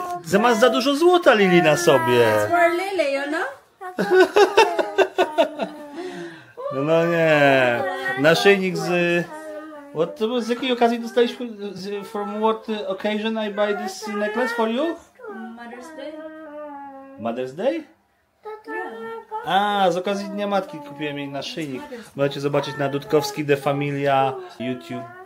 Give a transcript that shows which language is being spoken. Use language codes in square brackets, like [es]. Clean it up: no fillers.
[pl] Ty masz za dużo złota, Lily, na sobie. [en] It's for Lily, you know? [pl] No nie, naszyjnik z... What, z jakiej okazji dostaliśmy? [en] From what occasion I buy this necklace for you? Mother's Day. Mother's Day? Yeah. [pl] A, z okazji Dnia Matki kupiłem jej naszyjnik. Możecie zobaczyć na Dudkowski The Familia YouTube.